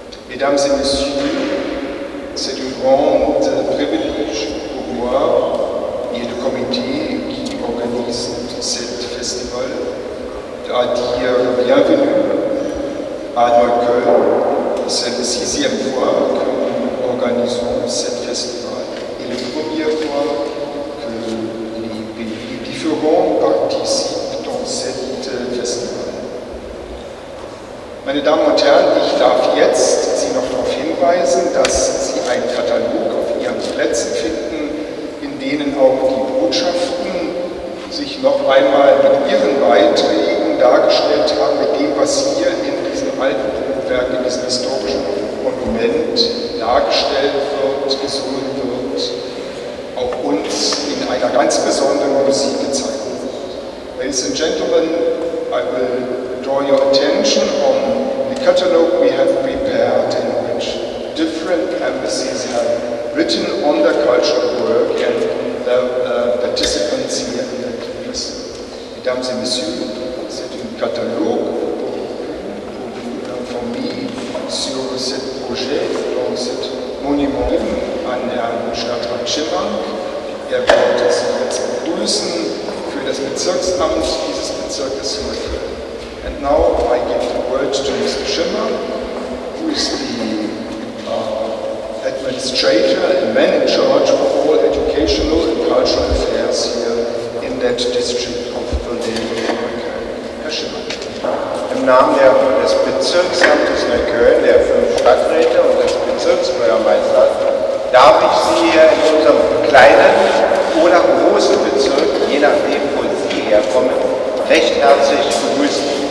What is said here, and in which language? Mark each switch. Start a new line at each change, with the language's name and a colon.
French: Mesdames et messieurs, c'est un grand privilège pour moi et le comité qui organise ce festival de dire bienvenue à Neukölln. C'est la sixième fois que nous organisons ce festival et la première fois que les pays différents participent dans ce festival.
German: Meine Damen und Herren, ich darf jetzt Sie noch darauf hinweisen, dass Sie einen Katalog auf Ihren Plätzen finden, in denen auch die Botschaften sich noch einmal mit Ihren Beiträgen dargestellt haben, mit dem, was hier in diesem alten Buchwerk, in diesem historischen Monument dargestellt wird, gesungen wird, auch uns in einer ganz besonderen Musik gezeigt wird.
English: Ladies and Gentlemen, I will draw your attention on the catalog we have prepared in which different embassies have written on their cultural work and the participants here in the place.
French: Mesdames et messieurs, c'est un catalogue pour vous sur ce projet, donc ce monument
German: an Herrn Stadtrat-Schimmank. Er wird es jetzt begrüßen für das Bezirksamt dieses Bezirkes hier.
English: And now I give the word to Mr. Schimmer, who is the administrator and man in charge of all educational and cultural affairs here in that district of Berlin, Neukölln.
German: Herr Schimmer. Im Namen des Bezirksamtes Neukölln, der fünf Stadträte und des Bezirksbürgermeisters, darf ich Sie hier in unserem kleinen oder großen Bezirk, je nachdem, wo Sie herkommen, recht herzlich begrüßen.